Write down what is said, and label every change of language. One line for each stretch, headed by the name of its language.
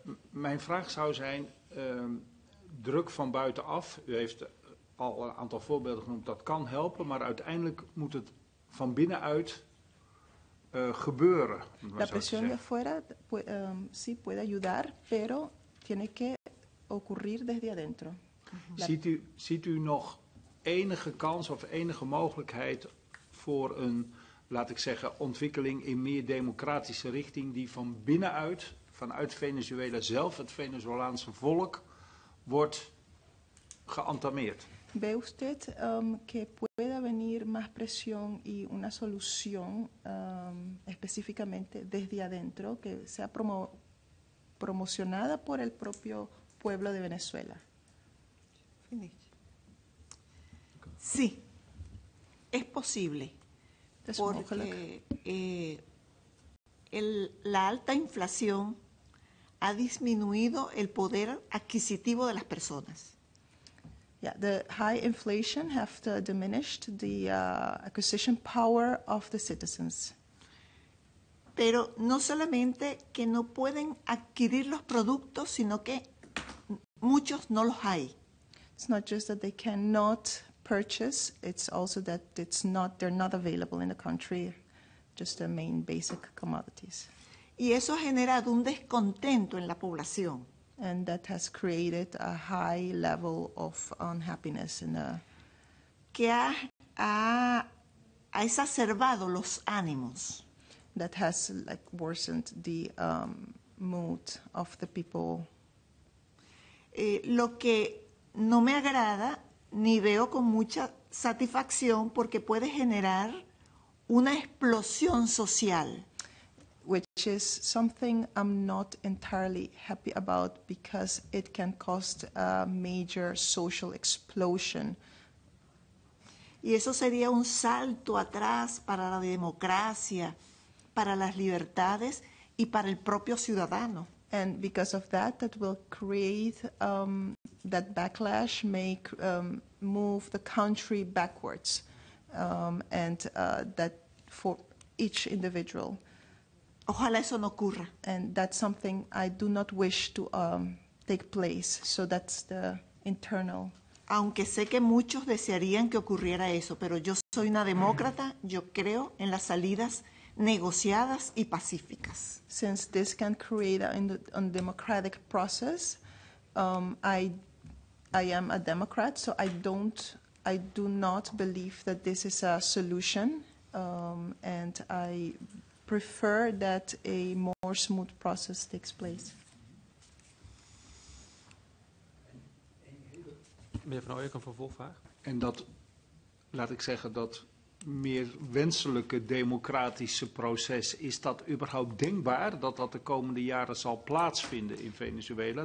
Dutch: Mijn vraag zou zijn, druk van buitenaf, u heeft al een aantal voorbeelden genoemd, dat kan helpen, maar uiteindelijk moet het van binnenuit gebeuren.
Spanish: La presión de afuera sí puede ayudar, pero tiene que ocurrir desde adentro.
Dutch: Ziet u nog enige kans of enige mogelijkheid voor een, laat ik zeggen, ontwikkeling in meer democratische richting die van binnenuit, vanuit Venezuela zelf, het Venezolaanse volk, wordt geëntameerd?
Spanish: ¿Ve usted que pueda venir más presión y una solución específicamente desde adentro que sea promocionada por el propio pueblo de Venezuela? Sí, es posible, porque la alta inflación ha disminuido el poder adquisitivo de las personas.
English: Yeah, the high inflation have diminished the acquisition power of the citizens.
Spanish: Pero no solamente que no pueden adquirir los productos, sino que muchos no los hay.
English: It's not just that they cannot purchase, it's also that it's not, they're not available in the country, just the main basic commodities.
Spanish: Y eso ha generado un descontento en la población.
English: And that has created a high level of unhappiness in the...
Spanish: Que ha exacerbado los ánimos.
English: That has like worsened the mood of the people.
Spanish: Lo que no me agrada ni veo con mucha satisfacción porque puede generar una explosión social.
English: Which is something I'm not entirely happy about because it can cause a major social explosion.
Spanish: Y eso sería un salto atrás para la democracia, para las libertades y para el propio ciudadano.
English: And because of that, that will create that backlash, make move the country backwards, and that for each individual.
Spanish: Ojalá eso no ocurra.
English: And that's something I do not wish to take place. So that's the internal.
Spanish: Aunque sé que muchos desearían que ocurriera eso, pero yo soy una demócrata. Yo creo en las salidas negociadas y pacíficas.
English: Since this can create an undemocratic process, I am a Democrat, so I do not believe that this is a solution, and I prefer that a more smooth process takes place.
Dutch: Meneer Van Ooyek, een vervolgvraag. En dat, laat ik zeggen, dat meer wenselijke democratische proces, is dat überhaupt denkbaar dat dat de komende jaren zal plaatsvinden in Venezuela?